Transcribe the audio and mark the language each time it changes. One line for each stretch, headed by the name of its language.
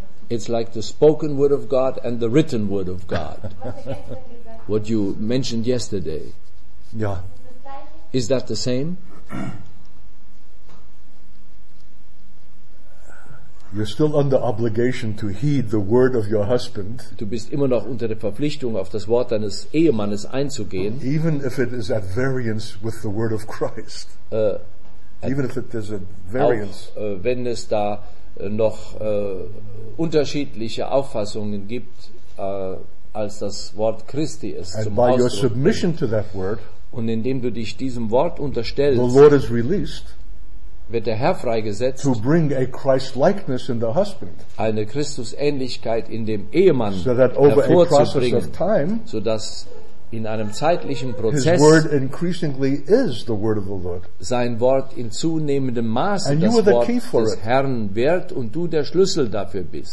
English: It's like the spoken word of God and the written word of God. What you mentioned yesterday. Yeah. Is that the same? You're still under obligation to heed the word of your husband.
German: Du bist immer noch unter der Verpflichtung, auf das Wort deines Ehemannes einzugehen.
English: Even if it is at variance with the word of Christ. Even if it is at variance.
German: Auch wenn es da noch unterschiedliche Auffassungen gibt, als das Wort Christi es
English: And
German: zum
English: by
German: Ausdruck
English: your submission to that word,
German: und indem du dich diesem Wort unterstellst,
English: the Lord is released.
German: Wird der Herr freigesetzt,
English: to bring a Christ-likeness in the husband,
German: eine Christusähnlichkeit in dem Ehemann
English: so that over
German: hervorzubringen,
English: a process of time,
German: sodass in einem zeitlichen Prozess
English: his word increasingly is the word of the Lord.
German: Sein Wort in zunehmendem Maße
English: and
German: das
English: you are the
German: Wort
English: key for
German: des Herrn wird und du der Schlüssel dafür bist.